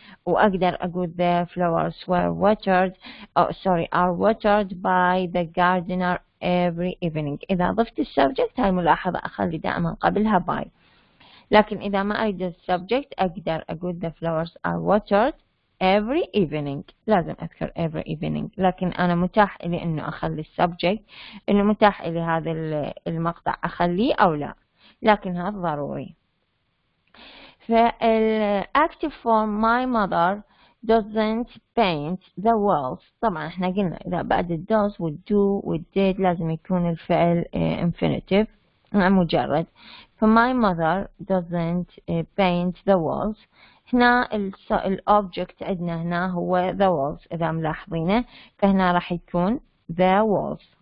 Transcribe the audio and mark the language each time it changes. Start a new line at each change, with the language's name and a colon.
Arabic: وأقدر أقول
English: the flowers were watered are watered by the gardener every evening.
Arabic: إذا ضفت السبجكت هاي ملاحظة أخلي دائما قبلها by. لكن إذا ما أريد السبجكت أقدر أقول
English: the flowers are watered every evening.
Arabic: لازم أذكر
English: every evening.
Arabic: لكن أنا متاح إلي إنه أخلي subject، إنه متاح إلي هذا المقطع أخليه أو لا، لكن هذا ضروري.
English: فال active form my mother doesn't paint the walls.
Arabic: طبعا احنا قلنا اذا بعد does والdo والdid لازم يكون الفعل infinitive مجرد.
English: فmy mother doesn't paint the walls.
Arabic: هنا الobject عندنا هنا هو
English: the walls
Arabic: اذا ملاحظينه، فهنا راح يكون the walls.